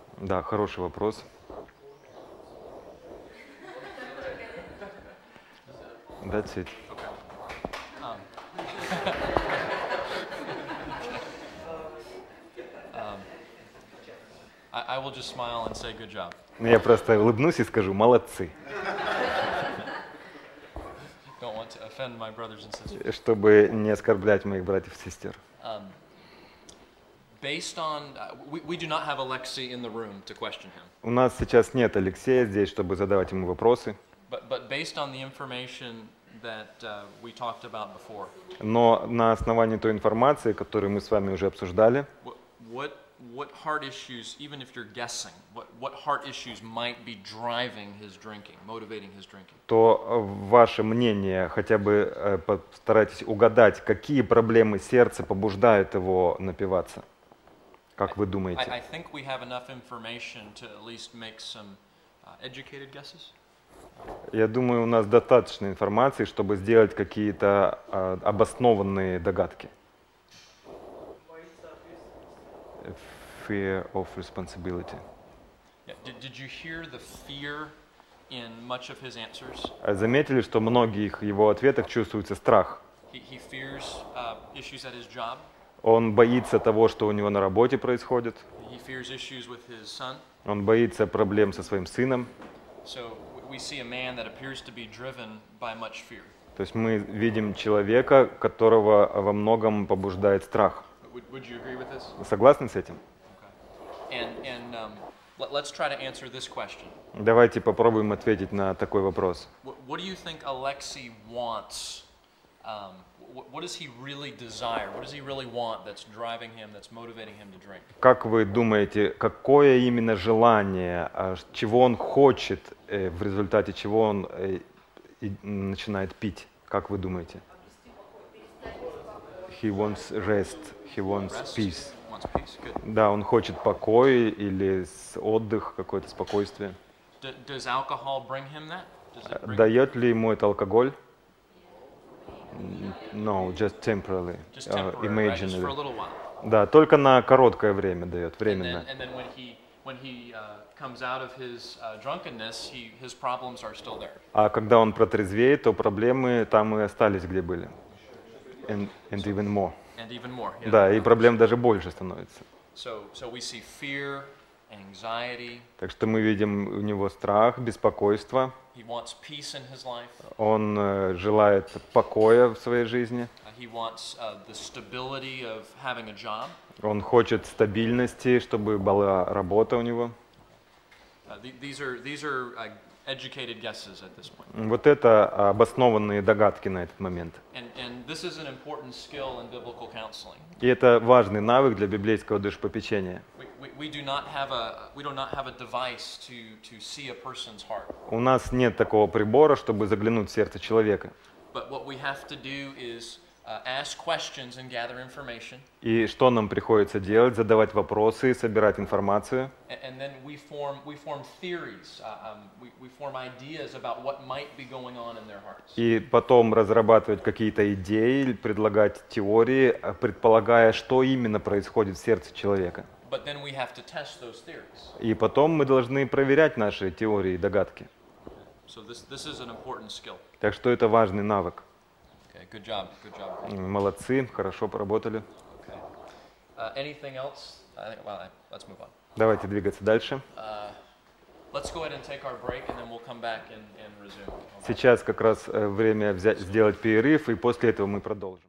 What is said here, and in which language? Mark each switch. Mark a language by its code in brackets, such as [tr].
[ru] Да, хороший вопрос. [en] That's it. I will just smile and say good job. [ru] Я просто улыбнусь и скажу: молодцы. [en] Don't want to offend my brothers and sisters. [ru] Чтобы не оскорблять моих братьев и сестер. [en] Based on we do not have Alexei in the room to question him. [ru] У нас сейчас нет Алексея здесь, чтобы задавать ему вопросы. [en] But based on the information that we talked about before. [ru] Но на основании той информации, которую мы с вами уже обсуждали. [en] What heart issues, even if you're guessing, what heart issues might be driving his drinking, motivating his drinking? [ru] То ваше мнение, хотя бы постарайтесь угадать, какие проблемы сердца побуждают его напиваться. Как вы думаете? [en] I think we have enough information to at least make some educated guesses. [ru] Я думаю, у нас достаточно информации, чтобы сделать какие-то обоснованные догадки. [en] Fear of responsibility. Yeah. Did you hear the fear in much of his answers? [ru] Заметили, что в многих его ответах чувствуется страх? [en] He fears issues at his job. [ru] Он боится того, что у него на работе происходит. [en] He fears issues with his son. [ru] Он боится проблем со своим сыном. [en] So we see a man that appears to be driven by much fear. [ru] То есть мы видим человека, которого во многом побуждает страх. [en] Would you agree with this? [ru] Согласны с этим? [en] Okay. And let's try to answer this question. [ru] Давайте попробуем ответить на такой вопрос. [en] What do you think Alexei wants? What does he really desire? What does he really want that's driving him, that's motivating him to drink? [ru] Как вы думаете, какое именно желание, чего он хочет, в результате чего он начинает пить? Как вы думаете? [en] He wants rest. He wants peace. He wants peace. Good. [ru] Да, он хочет покоя или отдых, какое-то спокойствие. [en] Does alcohol bring him that? [ru] Дает ли ему это алкоголь? [en] No, just temporarily. Just temporarily, right? Just for a little while. [ru] Да, только на короткое время дает, временно. [en] And then when he comes out of his drunkenness, his problems are still there. [ru] А когда он протрезвеет, то проблемы там и остались, где были. [en] And so, even more. And even more. Yeah. [ru] Да, и проблем даже больше становится. [en] So we see fear, anxiety. [ru] Так что мы видим у него страх, беспокойство. [en] He wants peace in his life. [ru] Он желает покоя в своей жизни. [en] He wants the stability of having a job. [ru] Он хочет стабильности, чтобы была работа у него. [en] These are educated guesses at this point. [ru] Вот это обоснованные догадки на этот момент. [en] And this is an important skill in biblical counseling. [ru] И это важный навык для библейского душепопечения. [en] We do not have a device to see a person's heart. [ru] У нас нет такого прибора, чтобы заглянуть в сердце человека. [en] But what we have to do is ask questions and gather information. [ru] И что нам приходится делать? Задавать вопросы, собирать информацию. [en] And then we form theories. We form ideas about what might be going on in their hearts. [ru] И потом разрабатывать какие-то идеи, предлагать теории, предполагая, что именно происходит в сердце человека. [en] But then we have to test those theories. [ru] И потом мы должны проверять наши теории и догадки. [en] So this is an important skill. [ru] Так что это важный навык. [en] Okay, good job, good job. [ru] Молодцы, хорошо поработали. [en] Okay. Anything else? Let's move on. [ru] Давайте двигаться дальше. [en] Let's go ahead and take our break, and then we'll come back and resume. [ru] Сейчас как раз время сделать перерыв, и после этого мы продолжим.